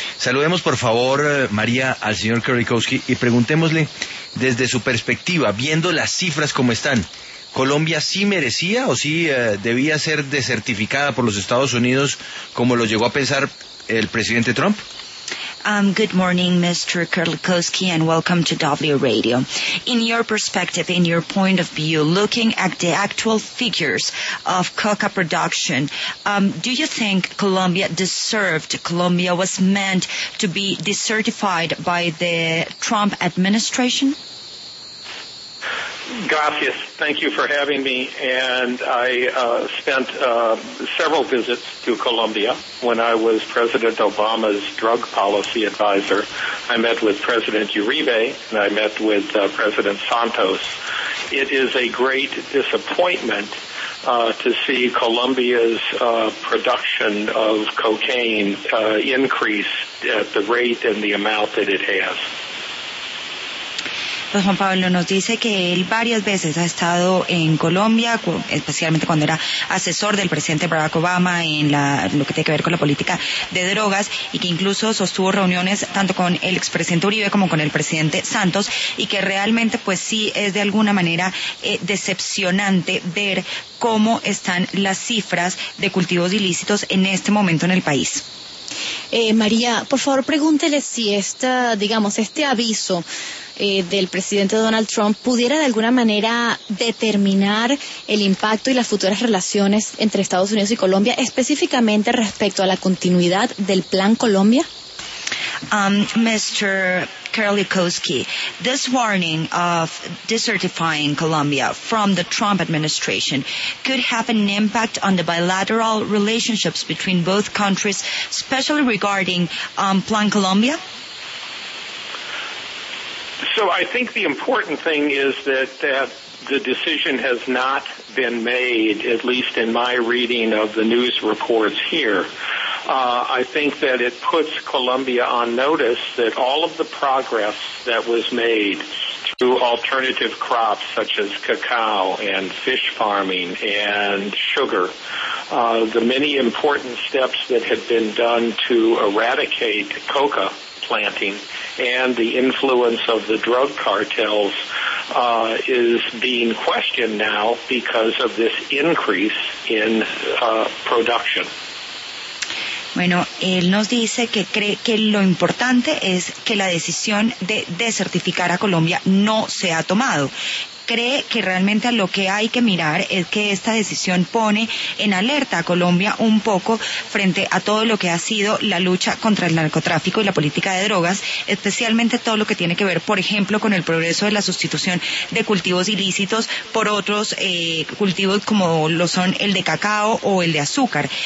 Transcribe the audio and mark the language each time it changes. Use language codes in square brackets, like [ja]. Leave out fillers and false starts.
[es] Saludemos, por favor, María, al señor Kerlikowski, y preguntémosle desde su perspectiva, viendo las cifras como están, ¿Colombia sí merecía o sí debía ser desertificada por los Estados Unidos, como lo llegó a pensar el presidente Trump? [en] Good morning, Mr. Kerlikowski, and welcome to W Radio. In your perspective, in your point of view, looking at the actual figures of coca production, do you think Colombia was meant to be decertified by the Trump administration? [es] Gracias. [en] Thank you for having me. And I spent several visits to Colombia when I was President Obama's drug policy advisor. I met with President Uribe and I met with President Santos. It is a great disappointment to see Colombia's production of cocaine increase at the rate and the amount that it has. [es] Pues Juan Pablo nos dice que él varias veces ha estado en Colombia, especialmente cuando era asesor del presidente Barack Obama en lo que tiene que ver con la política de drogas, y que incluso sostuvo reuniones tanto con el expresidente Uribe como con el presidente Santos, y que realmente pues sí es de alguna manera decepcionante ver cómo están las cifras de cultivos ilícitos en este momento en el país. María, por favor pregúntele si este aviso del presidente Donald Trump pudiera de alguna manera determinar el impacto y las futuras relaciones entre Estados Unidos y Colombia, específicamente respecto a la continuidad del Plan Colombia. [en] Mr. Kerlikowski, this warning of desertifying Colombia from the Trump administration could have an impact on the bilateral relationships between both countries, especially regarding Plan Colombia? So I think the important thing is that the decision has not been made, at least in my reading of the news reports here. I think that it puts Colombia on notice that all of the progress that was made through alternative crops such as cacao and fish farming and sugar, the many important steps that had been done to eradicate coca planting and the influence of the drug cartels is being questioned now because of this increase in production. [es] Bueno, él nos dice que cree que lo importante es que la decisión de desertificar a Colombia no se ha tomado. cree que realmente lo que hay que mirar es que esta decisión pone en alerta a Colombia un poco frente a todo lo que ha sido la lucha contra el narcotráfico y la política de drogas, especialmente todo lo que tiene que ver, por ejemplo, con el progreso de la sustitución de cultivos ilícitos por otros cultivos como lo son el de cacao o el de azúcar.